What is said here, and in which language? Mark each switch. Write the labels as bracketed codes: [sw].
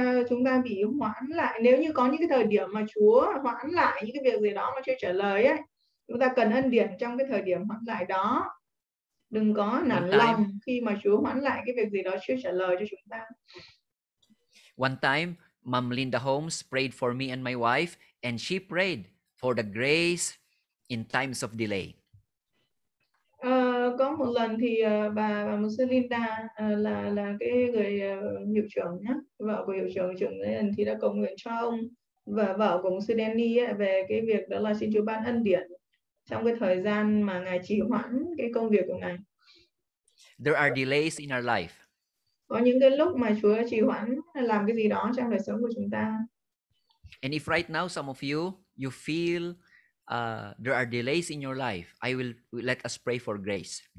[vi] Chúng ta bị hoãn lại nếu như có những cái thời điểm mà Chúa hoãn lại những cái việc gì đó mà Chúa trả lời ấy. Chúng ta cần ân điển trong cái thời điểm hoãn lại đó. Đừng có nản lòng khi mà Chúa hoãn lại cái việc gì đó Chúa trả lời cho chúng ta. [en] One time Mom Linda Holmes prayed for me and my wife, and she prayed for the grace in times of delay. [vi] Có một lần thì bà Mục sư Linda là cái người hiệu trưởng nhá, vợ của hiệu trưởng ấy, thì đã cầu nguyện cho ông và vợ của Mục sư Danny ấy, về cái việc đó là xin Chúa ban ân điển trong cái thời gian mà ngài trì hoãn cái công việc của ngài. [en] There are delays in our life. [vi] Có những cái lúc mà Chúa trì hoãn làm cái gì đó trong đời sống của chúng ta. [en] And if right now some of you feel there are delays in your life, I will let us pray for grace.